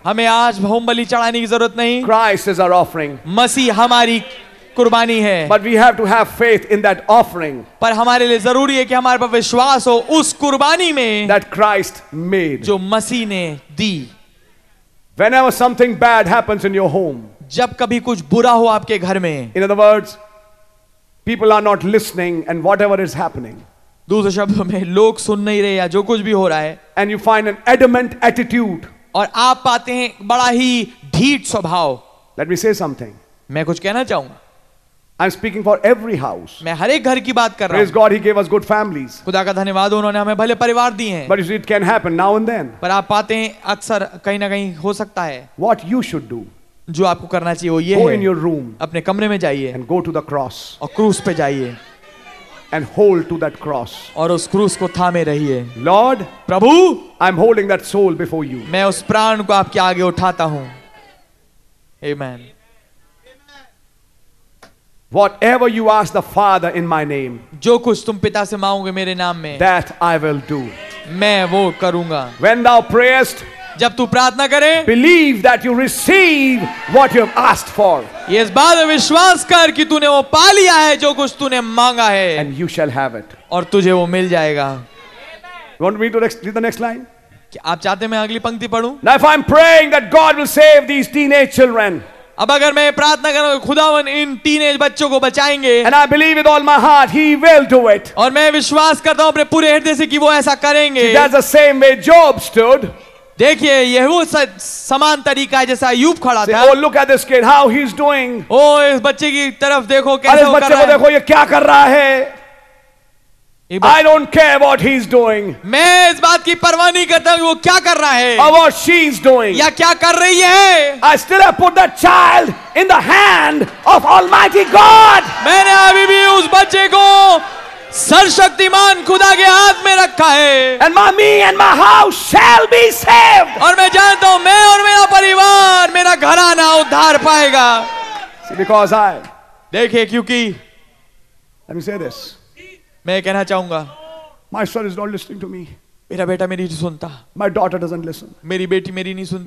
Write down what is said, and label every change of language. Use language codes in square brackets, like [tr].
[hi] हमें आज होम बलि चढ़ाने की ज़रूरत नहीं. [en] Christ is our offering. [hi] मसीह हमारी कुर्बानी है. [en] But we have to have faith in that offering. [hi] पर हमारे लिए ज़रूरी है कि हमारे पर विश्वास हो उस कुर्बानी में. [en] That Christ made. [hi] जो मसीह ने दी. [en] Whenever something bad happens in your home, [hi] जब कभी कुछ बुरा हो आपके घर में, [en] in other words, people are not listening and whatever is happening, [hi] दूसरे शब्दों में लोग सुन नहीं रहे या जो कुछ भी हो रहा है, [en] and you find an adamant attitude, [hi] और आप पाते हैं बड़ा ही ढीठ स्वभाव, [en] let me say something, [hi] मैं कुछ कहना चाहूंगा. [en] I'm speaking for every house. [hi] मैं हर एक घर की बात कर रहा हूँ. [en] Praise God, He gave us good families. [hi] खुदा का धन्यवाद उन्होंने हमें भले परिवार दिए हैं. [en] But it can happen now and then. [hi] पर आप पाते हैं अक्सर कहीं ना कहीं हो सकता है. [en] What you should do? [hi] जो आपको करना चाहिए वो ये है. [en] Go in your room. [hi] अपने कमरे में जाइए. [en] And go to the cross. [hi] और क्रूस पे जाइए. [en] And hold to that cross. [hi] और उस क्रूस को थामे रहिए. [en] Lord, [hi] Prabhu, [en] I'm holding that soul before you. [hi] मैं उस प्राण को आपके आगे उठाता हूँ. [en] Amen. Whatever you ask the Father in my name, [hi] जो कुछ तुम पिता से मांगोगे मेरे नाम में, [en] that I will do. [hi] मैं वो करूंगा. [en] When thou prayest, [hi] जब तू प्रार्थना करे, [en] believe that you receive what you have asked for. [hi] ये इस बात पे विश्वास कर कि तूने वो पा लिया है जो कुछ तूने मांगा है. [en] And you shall have it. [hi] और तुझे वो मिल जाएगा. [en] Want me to read the next line? [hi] कि आप चाहते हैं मैं अगली पंक्ति पढूं? [en] Now if I'm praying that God will save these teenage children. [hi] अब अगर मैं प्रार्थना करूं खुदावन इन टीनेज बच्चों को बचाएंगे, [en] and I believe with all my heart, he will do it. [hi] और मैं विश्वास करता हूं अपने पूरे हृदय से कि वो ऐसा करेंगे. [en] See, that's the same way Job stood. [hi] देखिए ये वो समान तरीका है जैसा अयूब खड़ा था। [en] Oh look at this kid how he is doing. [hi] ओ इस बच्चे की तरफ देखो कैसे कर रहा है। अरे बच्चे को देखो ये क्या कर रहा है। [en] I don't care what he's doing. [hi] मैं इस बात की परवाह नहीं करता कि वो क्या कर रहा है। [en] Or what she's doing. [hi] या क्या कर रही है? [en] I still have put that child in the hand of Almighty God. [hi] मैंने अभी भी उस बच्चे को सर्वशक्तिमान खुदा के हाथ में रखा है। [en] And my me and my house shall be saved. [hi] और मैं जानता हूँ मैं और मेरा परिवार मेरा घराना उद्धार पाएगा। [en] See, because I. [hi] देखिए क्योंकि. [en] Let me say this. [hi] मैं कहना चाहूंगा [en] My son is not listening to me. [hi] मेरा बेटा मेरी नहीं सुनता। [en] My daughter doesn't listen. [hi] मेरी बेटी मेरी नहीं सुनती।